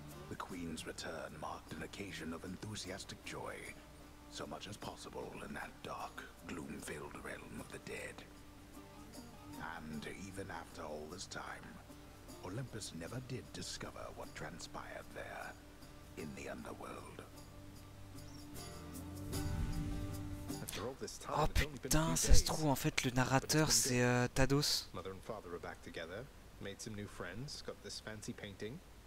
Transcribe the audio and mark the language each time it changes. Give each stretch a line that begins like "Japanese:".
English: The queen's return marked an occasion of enthusiastic joy, so much as possible in that dark, gloom-filled realm of the dead. And even after all this time, Olympus never did discover what transpired there, in the underworld.
French: Oh putain, ça se trouve, en fait, le narrateur, c'est Tados.
English: Mother and father are back together, made some new friends, got this fancy painting.